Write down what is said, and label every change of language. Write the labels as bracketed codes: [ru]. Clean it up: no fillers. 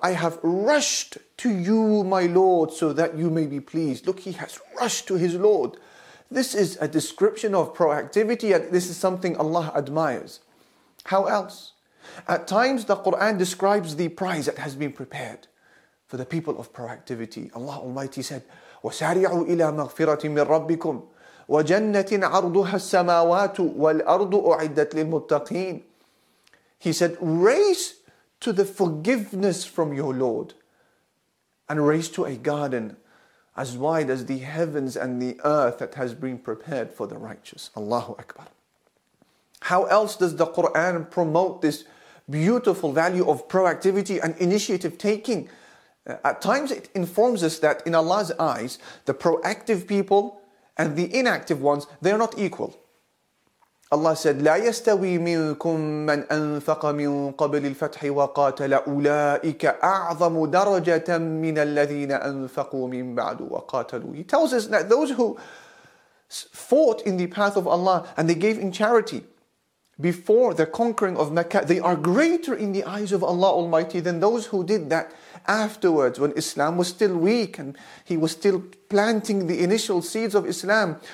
[en] I have rushed to you, my Lord, so that you may be pleased. Look, he has rushed to his Lord. This is a description of proactivity, and this is something Allah admires. How else? At times the Quran describes the prize that has been prepared for the people of proactivity. Allah Almighty said, [ar] وَسَارِعُوا إِلَى مَغْفِرَةٍ مِّن رَبِّكُمْ وَجَنَّةٍ عَرْضُهَا السَّمَاوَاتُ وَالْأَرْضُ أُعِدَّتْ لِلْمُتَّقِينَ. [en] He said, race to the forgiveness from your Lord and race to a garden as wide as the heavens and the earth that has been prepared for the righteous. Allahu Akbar. How else does the Quran promote this beautiful value of proactivity and initiative taking? At times it informs us that in Allah's eyes, the proactive people and the inactive ones, they are not equal. Allah said, [ar] لا يستوي منكم من أنفق من قبل الفتح وقاتل أولئك أعظم درجة من الذين أنفقوا من بعد وقاتلوا. [en] He tells us that those who fought in the path of Allah and they gave in charity before the conquering of Mecca, they are greater in the eyes of Allah Almighty than those who did that afterwards, when Islam was still weak and he was still planting the initial seeds of Islam.